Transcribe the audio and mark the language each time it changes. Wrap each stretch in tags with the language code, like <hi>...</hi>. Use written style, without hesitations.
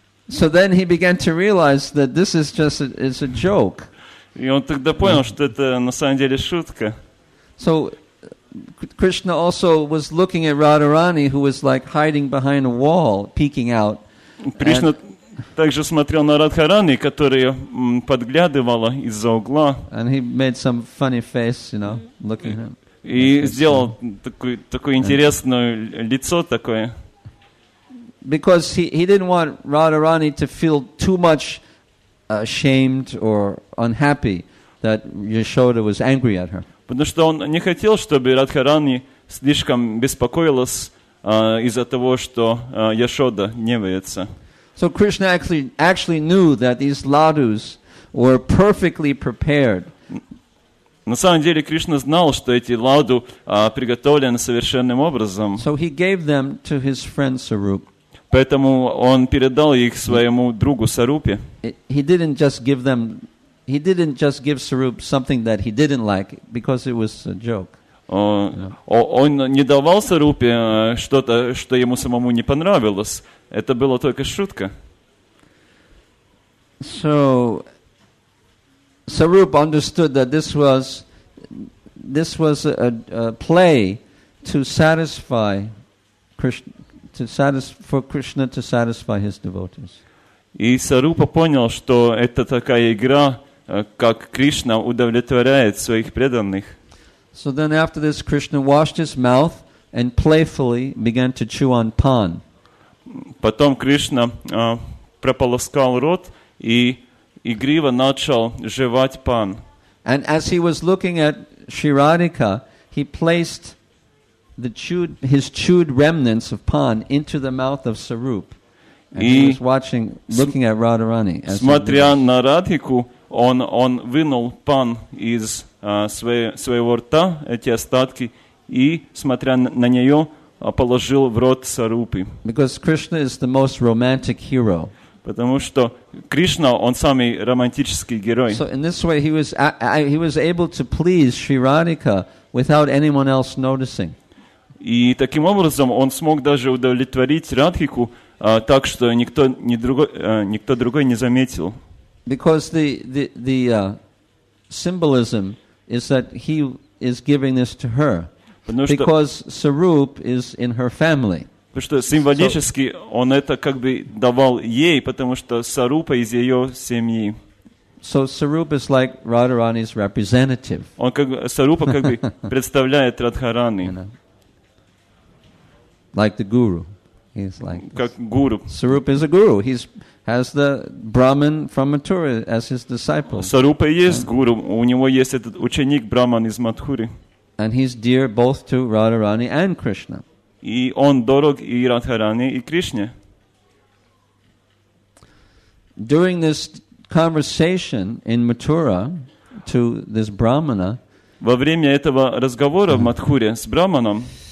<en>So then he began to realize that this is just it's a joke.</en> <ru>И он тогда понял, что это на самом деле шутка.</ru> <en>So Krishna also was looking at Radharani, who was like hiding behind a wall, peeking out.</en> <ru>Кришна также смотрел на Радхарани, которая подглядывала из-за угла.</ru> <en>And he made some funny face, you know, looking at him.</en> <ru>И сделал такое интересное лицо такое.</ru> <en>Because he didn't want Radharani to feel too much ashamed or unhappy that Yashoda was angry at her.</en> <ru>Потому что он не хотел, чтобы Радхарани слишком беспокоилась из-за того, что Яшода гневается.</ru> <en>So Krishna actually knew that these ladus were perfectly prepared.</en> <ru>На самом деле Кришна знал, что эти ладу приготовлены совершенным образом.</ru> <en>So he gave them to his friend Sarup.</en> <ru>Поэтому он передал их своему другу Сарупе.</ru> <en>He didn't just give Sarup something that he didn't like because it was a joke.</en> <ru>Он не давал Сарупе что-то, что ему самому не понравилось. Это было только шутка.</ru> <en>So Sarup understood that this was a play to satisfy Krishna, to satisfy his devotees.</en> <ru>И Сарупа понял, что это такая игра, как Кришна удовлетворяет своих преданных.</ru> <en>So then after this, Krishna washed his mouth and playfully began to chew on pan.</en> <ru>Потом Кришна прополоскал рот и игриво начал жевать пан.</ru> <en>And as he was looking at Sri Radhika, he placed his chewed remnants of pan into the mouth of Sarup. And he was watching, looking at Radharani.</en> <ru>Смотря на Радхику, Он вынул пан из своего рта, эти остатки, и, смотря на нее, положил в рот Сарупы.</ru> <en>Because Krishna is the most romantic hero.</en> <ru>Потому что Кришна, он самый романтический герой.</ru> <en>So in this way he was able to please Sri Radhika without anyone else noticing.</en> <ru>И таким образом он смог даже удовлетворить Радхику так, что никто другой не заметил.</ru> <en>Because the symbolism is that he is giving this to her. Because Sarup is in her family.</en> <ru>Потому что символически он это как бы давал ей, потому что Сарупа из ее семьи.</ru> <en>So Sarup is like Radharani's representative.</en> <ru>Он как Сарупа как бы представляет Радхарани.</ru> <en>Like the guru. He's like this.</en> <ru>Как гуру.</ru> <en>Sarup is a guru. He has the Brahman from Mathura as his disciple.</en> <ru>Сарупа есть гуру. У него есть этот ученик Брахман из Матхуры.</ru> <en>And he's dear both to Radharani and Krishna.</en> <ru>И он дорог и Радхарани, и Кришне.</ru> <en>During this conversation in Mathura to this Brahmana,</en> <ru>во время этого разговора в Матхуре с Брахманом,</ru>